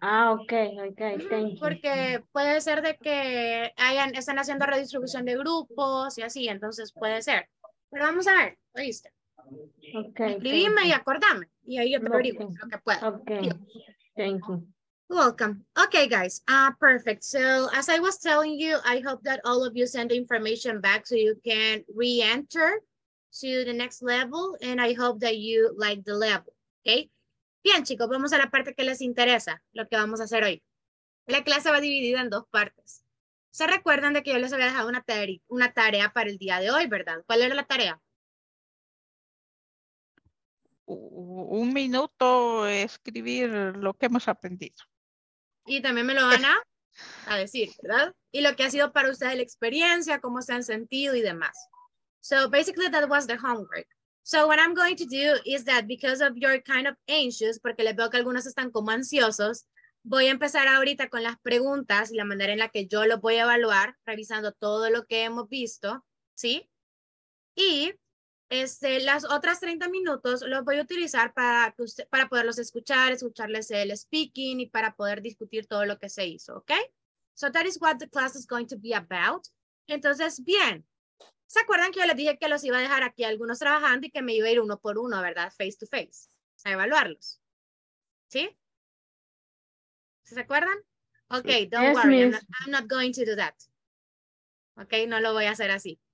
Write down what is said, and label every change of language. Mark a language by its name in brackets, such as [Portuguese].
[English] Ah, ok, thank you. [Spanish] Porque puede ser de que están haciendo redistribución de grupos y así, entonces puede ser. Pero vamos a ver, ¿oíste? Ok. Escribime y acordame, y ahí yo te averiguo lo que pueda. [English] Ok, thank you. Welcome. Okay, guys. Perfect. So as I was telling you, I hope that all of you send the information back so you can re-enter to the next level. And I hope that you like the level. Okay. [Spanish] Bien, chicos, vamos a la parte que les interesa, lo que vamos a hacer hoy. La clase va dividida en dos partes. ¿Se recuerdan de que yo les había dejado una tarea para el día de hoy, verdad? ¿Cuál era la tarea? Un minuto escribir lo que hemos aprendido. Y también me lo van a decir, ¿verdad? Y lo que ha sido para ustedes la experiencia, cómo se han sentido y demás. So basically that was the homework. So what I'm going to do is that because of your kind of anxious, porque les veo que algunos están como ansiosos, voy a empezar ahorita con las preguntas y la manera en la que yo los voy a evaluar, revisando todo lo que hemos visto, ¿sí? Y las otras 30 minutos los voy a utilizar para poderlos escuchar, escucharles el speaking y para poder discutir todo lo que se hizo, ¿ok? [English] So that is what the class is going to be about. [Spanish] Entonces, bien. ¿Se acuerdan que yo les dije que los iba a dejar aquí algunos trabajando y que me iba a ir uno por uno, ¿verdad? [English] Face to face. A evaluarlos. ¿Sí? ¿Se acuerdan? Ok, don't worry. I'm not going to do that. Ok, no lo voy a hacer así.